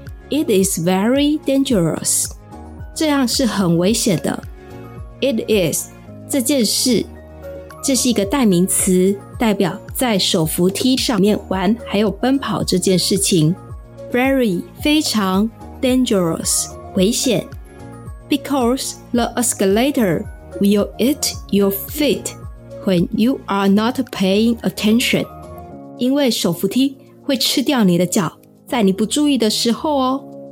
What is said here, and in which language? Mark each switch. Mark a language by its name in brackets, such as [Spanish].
[English] It is very dangerous. [Chinese] 这样是很危险的。 [English] It is, [Chinese] 这件事。这是一个代名词，代表在手扶梯上面玩，还有奔跑这件事情。 [English] Very, [Chinese] 非常 [English] dangerous, [Chinese] 危险。 [English] Because the escalator will eat your feet when you are not paying attention. [Chinese] 因为手扶梯会吃掉你的脚，在你不注意的时候哦。